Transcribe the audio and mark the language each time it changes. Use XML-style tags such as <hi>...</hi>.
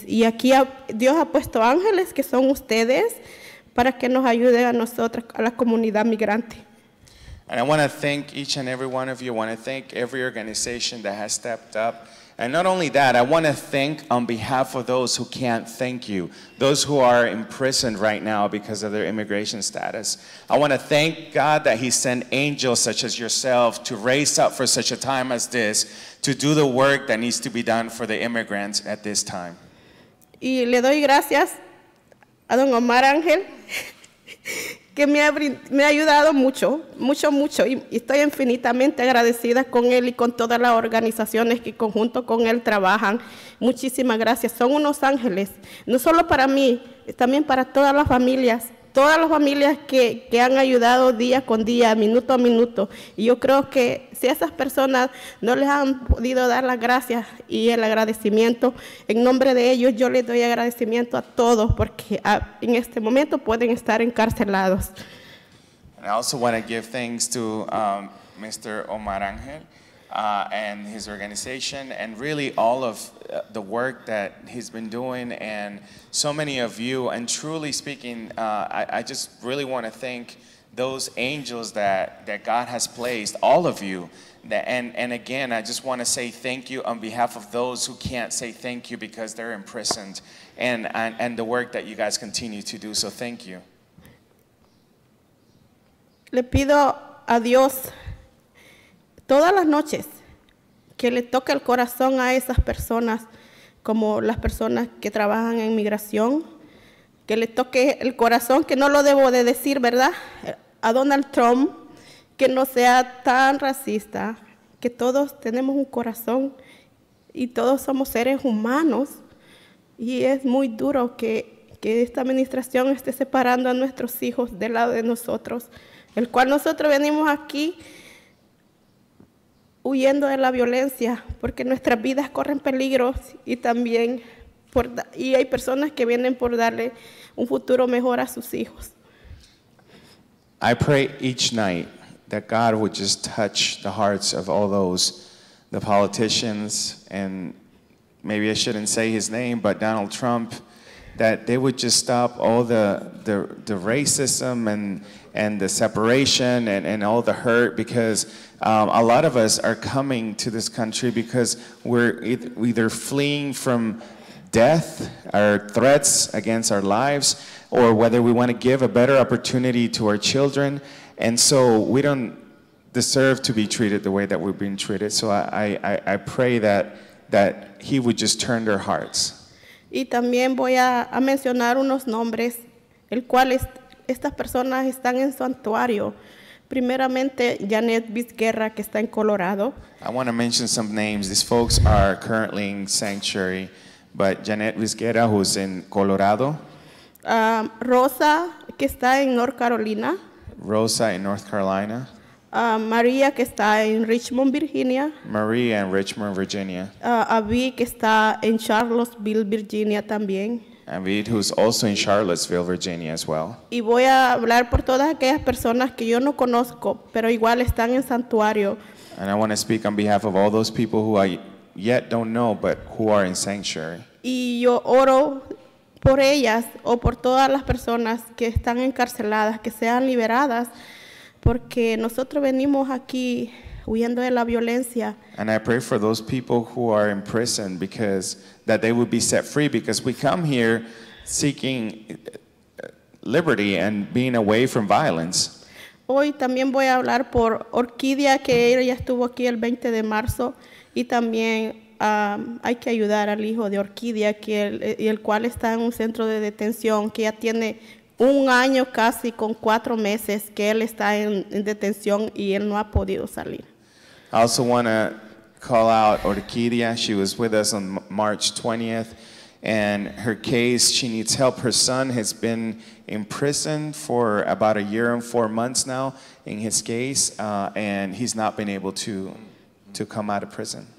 <es>Y aquí Dios ha puesto ángeles que son ustedes para que nos ayuden a nosotros, a la comunidad migrante.</es> <en>And I want to thank each and every one of you. I want to thank every organization that has stepped up. And not only that, I want to thank on behalf of those who can't thank you, those who are imprisoned right now because of their immigration status. I want to thank God that He sent angels such as yourself to raise up for such a time as this to do the work that needs to be done for the immigrants at this time.</en> <es>Y le doy gracias a Don Omar Ángel, que me ha ayudado mucho, mucho, mucho. Y estoy infinitamente agradecida con él y con todas las organizaciones que conjunto con él trabajan. Muchísimas gracias. Son unos ángeles, no solo para mí, también para todas las familias que han ayudado día con día, minuto a minuto. Y yo creo que si esas personas no les han podido dar las gracias y el agradecimiento, en nombre de ellos yo les doy agradecimiento a todos porque en este momento pueden estar encarcelados.</es> <en>And I also want to give thanks to Mr. Omar Angel and his organization and really all of the work that he's been doing and so many of you. And truly speaking, I just really want to thank those angels that God has placed, all of you. And again, I just want to say thank you on behalf of those who can't say thank you because they're imprisoned, and the work that you guys continue to do. So thank you.</en> <es>Le pido a Dios todas las noches que le toque el corazón a esas personas, como las personas que trabajan en migración, que le toque el corazón, que no lo debo de decir, ¿verdad? A Donald Trump, que no sea tan racista, que todos tenemos un corazón y todos somos seres humanos. Y es muy duro que esta administración esté separando a nuestros hijos del lado de nosotros, el cual nosotros venimos aquí huyendo de la violencia, porque nuestras vidas corren peligros y también y hay personas que vienen por darle un futuro mejor a sus hijos.</es> <en>I pray each night that God would just touch the hearts of all those, the politicians, and maybe I shouldn't say his name, but Donald Trump, that they would just stop all the racism and the separation and all the hurt, because a lot of us are coming to this country because we're either fleeing from death, our threats against our lives, or whether we want to give a better opportunity to our children. And so we don't deserve to be treated the way that we've been treated. So I pray that he would just turn their hearts.</en> <es>Y también voy a mencionar unos nombres, el cual estas personas están en santuario. Primeramente, Janet Vizguerra, que está en Colorado.</es> <en>I want to mention some names. These folks are currently in sanctuary. But Janet Vizguerra, who's in Colorado.</en> <es>Rosa, que está en North Carolina.</es> <en>Rosa in North Carolina.</en> <es>Maria, que está en Richmond, Virginia.</es> <en>Maria in Richmond, Virginia.</en> <es>Avi, que está en Charlottesville, Virginia, también.</es> <en>Avi, who's also in Charlottesville, Virginia, as well.</en> <es>Y voy a hablar por todas aquellas personas que yo no conozco, pero igual están en santuario.</es> <en>And I want to speak on behalf of all those people who I yet don't know, but who are in sanctuary.</en> <es>Y yo oro por ellas o por todas las personas que están encarceladas, que sean liberadas, porque nosotros venimos aquí huyendo de la violencia.</es> <en>And I pray for those people who are in prison because that they would be set free, because we come here seeking liberty and being away from violence.</en> <es>Hoy también voy a hablar por Orquídea, que ella estuvo aquí el 20 de marzo, y también hay que ayudar al hijo de Orquídea, el cual está en un centro de detención, que ya tiene un año casi con cuatro meses que él está en detención y él no ha podido salir.</es> <en>I also want to call out Orquídea. She was with us on March 20th, and her case, she needs help. Her son has been imprisoned for about a year and 4 months now in his case, and he's not been able to come out of prison.</en>